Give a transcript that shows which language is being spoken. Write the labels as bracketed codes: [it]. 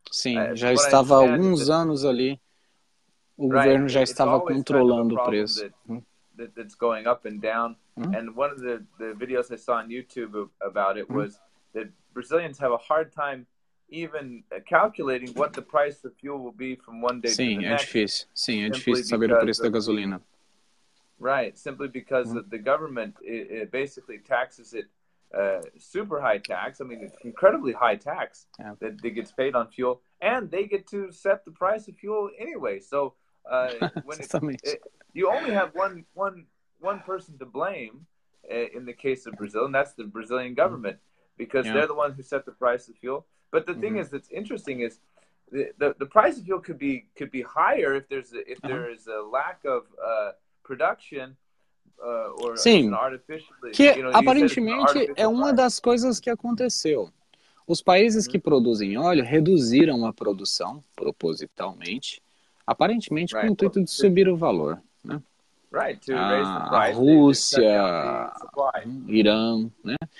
[pt] Sim, já estava há alguns anos ali. O governo já estava controlando o preço. [en] That's going up and down. And one of the videos I saw on YouTube about it was that Brazilians have a hard time even calculating what the price of fuel will be from one day to the next. [pt] Sim, é difícil saber o preço da gasolina. [en] Right, simply because the government it basically taxes it super high tax. I mean, it's incredibly high tax that gets paid on fuel, and they get to set the price of fuel anyway. So when you only have one person to blame in the case of Brazil, and that's the Brazilian government, because they're the ones who set the price of fuel. But the thing is, that's interesting is the price of fuel could be higher if there's there is a lack of production or artificially. [pt] Que aparentemente é uma das coisas que aconteceu. Os países que produzem óleo reduziram a produção propositalmente, aparentemente com o intuito de subir o valor, né? [en] Right, to raise [pt] a Rússia, Irã, né?